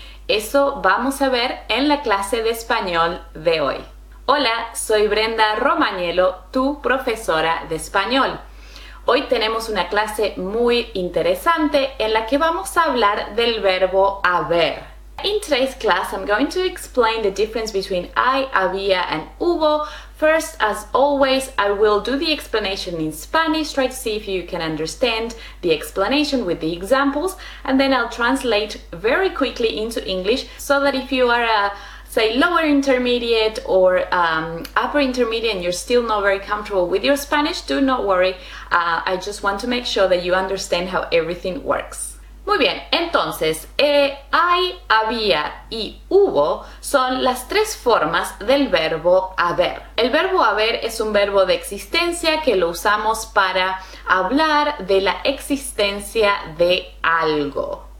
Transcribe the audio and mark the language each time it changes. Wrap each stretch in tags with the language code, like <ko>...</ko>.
<es>Eso vamos a ver en la clase de español de hoy. Hola, soy Brenda Romagnello, tu profesora de español. Hoy tenemos una clase muy interesante en la que vamos a hablar del verbo haber.</es> <en>In today's class, I'm going to explain the difference between hay, había and hubo. First, as always, I will do the explanation in Spanish, try to see if you can understand the explanation with the examples, and then I'll translate very quickly into English so that if you are a, say, lower intermediate or upper intermediate and you're still not very comfortable with your Spanish, do not worry. I just want to make sure that you understand how everything works.</en> <es>Muy bien, entonces, hay, había y hubo son las tres formas del verbo haber. El verbo haber es un verbo de existencia que lo usamos para hablar de la existencia de algo.</es>